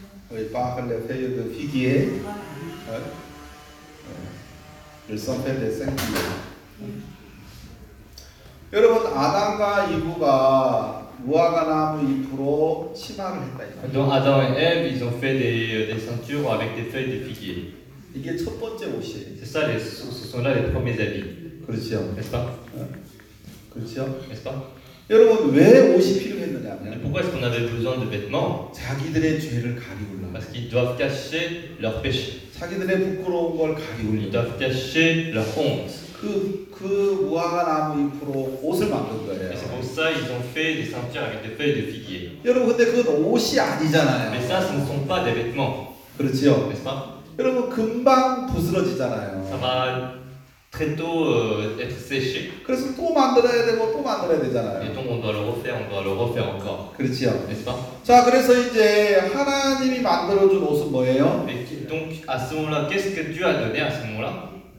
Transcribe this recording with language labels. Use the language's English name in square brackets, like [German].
[French] Oui, par le feuille de figuier, hein? Ils ont fait des cinq figuiers. [Korean] 여러분, 아담과 이브가 무화과나무 잎으로 치마를 했다. [French] Donc Adam et Eve, ils ont fait des ceintures avec des feuilles de figuier. [Korean] 이게 첫 번째 옷이에요. [French] C'est ça, ce sont là les premiers habits. [Korean] 그렇죠. [French] N'est-ce pas? [Korean] 그렇죠. [French] N'est-ce pas? [Korean] 여러분 왜 옷이 필요했느냐? [French] Pourquoi est-ce qu'on avait besoin de vêtements? [Korean] 자기들의 죄를 가리울라. [French] Parce qu'ils doivent cacher leur péché. [Korean] 자기들의 부끄러운 걸 가리울라. [French] Ils doivent cacher leur honte. [Korean] 그 무화과나무 잎으로 옷을 만든 거예요. [French] Et c'est pour ça ils ont fait des ceintures avec des feuilles de figuier. [Korean] 여러분 근데 그건 옷이 아니잖아요. [French] Mais ça, ce ne sont pas des vêtements. [Korean] 그렇지요. [French] N'est-ce pas? [Korean] 여러분 금방 부스러지잖아요. [French] Ça va très tôt être séché. [Korean] 그래서 또 만들어야 되고 또 만들어야 되잖아요. [French] Et donc on doit le refaire, on doit le refaire encore. [Korean] 그렇지요. [French] N'est-ce pas? [Korean] 자, 그래서 이제 하나님이 만들어준 옷은 뭐예요? [French] Et donc à ce moment-là, qu'est-ce que Dieu a donné à ce moment-là?